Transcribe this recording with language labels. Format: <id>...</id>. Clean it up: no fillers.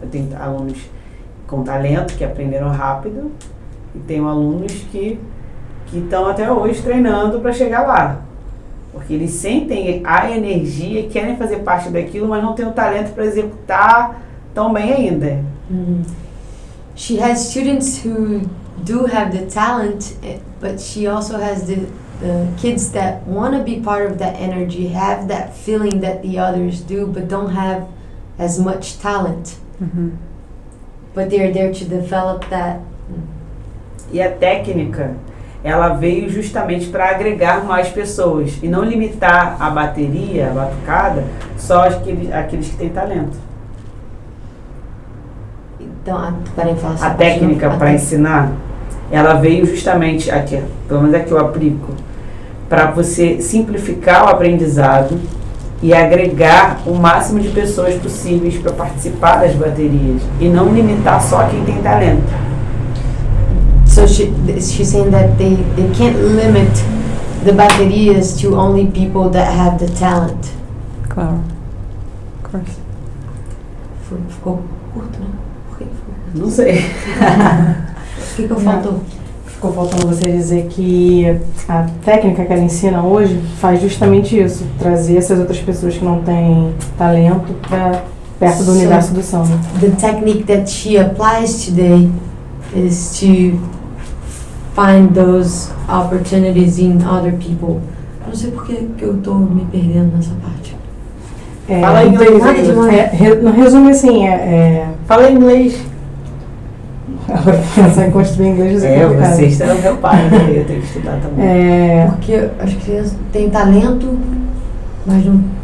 <pt>Eu tenho alunos com talento que aprenderam rápido e tenho alunos que estão até hoje treinando para chegar lá. Porque eles sentem a energia e querem fazer parte daquilo, mas não tem o talento para executar tão bem ainda.</pt> <en>She has students who do have the talent, but she also has the kids that want to be part of that energy, have that feeling that the others do, but don't have as much talent, but they're there to develop that.</en> <pt>E a técnica, ela veio justamente para agregar mais pessoas e não limitar a bateria, a batucada, só aqueles que têm talento. Então, para falar a técnica para ensinar, ela veio justamente aqui, pelo menos aqui eu aplico, para você simplificar o aprendizado e agregar o máximo de pessoas possíveis para participar das baterias e não limitar só quem tem talento.</pt> <en>So she's saying that they can't limit the baterias to only people that have the talent.</en> <pt>Claro.</pt> <en>Of course.</en> <pt>Ficou curto, né? Não sei. O que faltou? Ficou faltando você dizer que a técnica que ela ensina hoje faz justamente isso, trazer essas outras pessoas que não têm talento para perto do universo do samba.</pt> <en>The technique that she applies today is to find those opportunities in other people.</en> <pt>Não sei por que eu tô me perdendo nessa parte. Fala inglês. No resumo, assim, fala inglês. Agora pensar em construir inglês é complicado. Vocês terão meu pai, né? Eu tenho que estudar também. Porque as crianças têm talento, mas não...</pt>